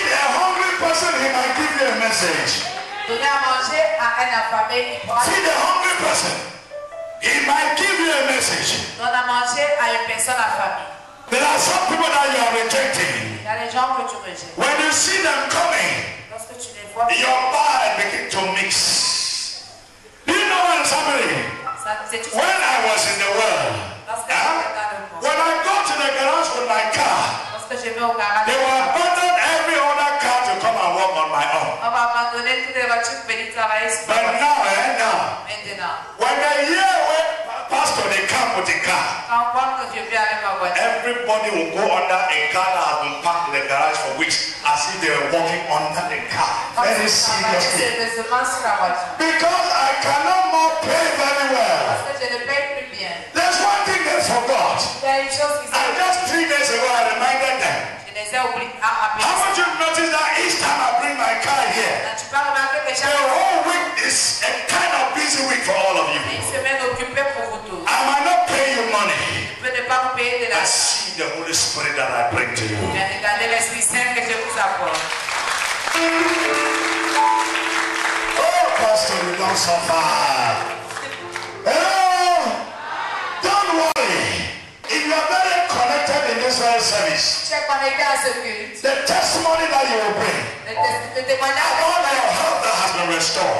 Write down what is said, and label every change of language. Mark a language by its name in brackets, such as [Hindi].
[English] a hungry person, he might give you a message. [French] Donner à manger à un affamé, il pourra. [English] See, the hungry person, he might give you a message. [French] Donner à manger à une personne affamée. [English] There are some people that you are rejecting. [French] Il y a des gens que tu rejettes. [English] When you see them coming, [French] lorsque tu les vois, [English] your mind begins to mix. Do you know what is happening? When I was in the world, when I go to the garage with my car, [French] lorsque je vais au garage, [English] they will abandon every other car to come and work on my own. [French] On va abandonner toutes les voitures pour venir travailler sur [English] moi. But now, eh, now, [French] maintenant, [English] when they hear when pastor they come with the car, [French] quand pastor je viens avec ma voiture, [English] everybody will go under a car that has been parked in the garage for weeks, as if they were working under the car. Very seriously. Because I cannot more pay very well. There's one thing they forgot. And just 3 days ago, I reminded them. Haven't you noticed that each time I bring my car here, the whole week is a kind of busy week for all of you? I might not pay you money. [French] Ne pas vous payer de la [English] I see the Holy Spirit that I bring to you. [French] Regardez l'Esprit Saint que je vous apporte. [English] Oh, Pastor, you don't suffer. Oh, don't worry. If you are very connected in this very service, the testimony that you will bring about your health that has been restored,